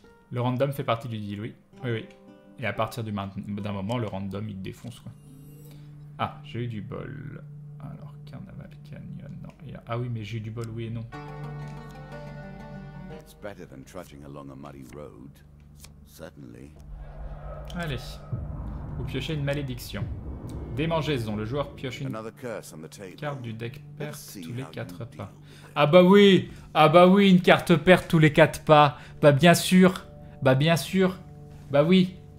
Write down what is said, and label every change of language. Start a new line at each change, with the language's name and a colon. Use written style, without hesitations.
French: Le random fait partie du deal, oui. Oui, oui. Et à partir d'un moment, le random, il défonce, quoi. Ah, j'ai eu du bol. Alors, Carnaval Canyon, non. Ah oui, mais j'ai eu du bol, oui et non.
English: It's better than trudging along a muddy road. Certainly.
French: Allez, vous piochez une malédiction. Démangeaison, le joueur pioche une carte du deck perte tous les 4 pas. Ah bah oui, ah bah oui, une carte perte tous les 4 pas. Bah bien sûr, bah bien sûr, bah oui.